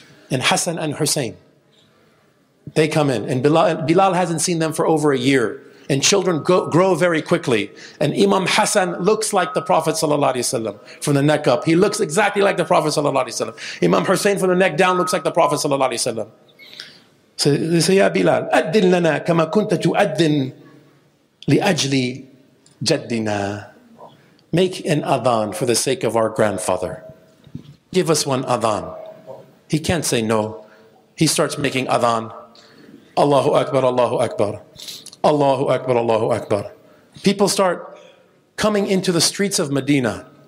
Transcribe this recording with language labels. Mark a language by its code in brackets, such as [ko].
[en] And Hassan and Hussein, they come in. And Bilal hasn't seen them for over a year. And children grow very quickly. And Imam Hassan looks like the Prophet ﷺ from the neck up. He looks exactly like the Prophet ﷺ. Imam Hussein from the neck down looks like the Prophet ﷺ. So they say, [ar] Ya Bilal, أَدِّن لَنَا كَمَا كُنْتَ تُؤَدِّن لِأَجْلِ جَدِّنَا. [en] Make an adhan for the sake of our grandfather. Give us one adhan. He can't say no. He starts making adhan. [ar] Allahu Akbar, Allahu Akbar. Allahu Akbar, Allahu Akbar. [en] People start coming into the streets of Medina.